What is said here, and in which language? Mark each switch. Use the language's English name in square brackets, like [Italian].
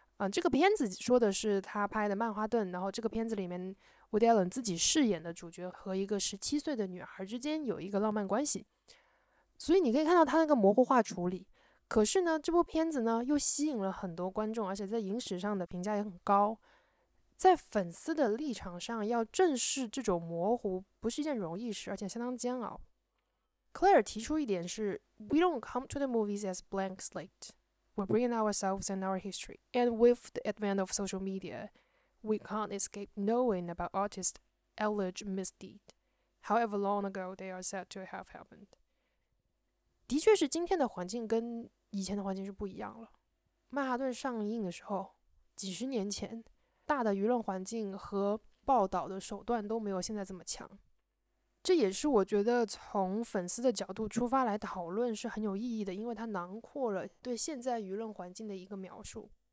[Chinese] 这个片子说的是他拍的曼哈顿，然后这个片子里面伍迪·艾伦自己饰演的主角和一个17岁的女孩之间有一个浪漫关系，所以你可以看到他那个模糊化处理。可是呢，这部片子呢又吸引了很多观众，而且在影史上的评价也很高。在粉丝的立场上，要正视这种模糊不是一件容易事，而且相当煎熬。 [English] Claire [Chinese] 提出一点是 [English] We don't come to the movies as blank slate. We bring in ourselves and our history. And with the advent of social media, we can't escape knowing about artists' alleged misdeed, however long ago they are said to have happened. [Chinese] 的确是今天的环境跟以前的环境是不一样了。曼哈顿上映的时候，几十年前大的舆论环境和报道的手段都没有现在这么强，这也是我觉得从粉丝的角度出发来讨论是很有意义的，因为它囊括了对现在舆论环境的一个描述。